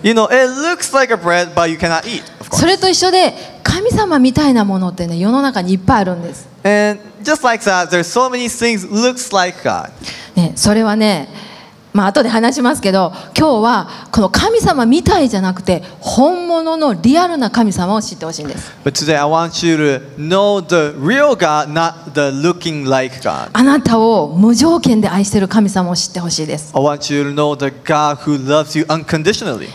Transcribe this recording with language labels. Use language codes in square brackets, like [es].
[en] You know, it looks like a bread, but you cannot eat, of course. [ja] それと一緒で神様みたいなものってね、世の中にいっぱいあるんです。 [en] And just like that, there's so many things looks like God. [ja] ね、それはね、まあ後で話しますけど、今日はこの神様みたいじゃなくて本物のリアルな神様を知ってほしいんです。 [en] But today I want you to know the real God, not the looking like God. [ja] あなたを無条件で愛してる神様を知ってほしいです。 [en] I want you to know the God who loves you unconditionally.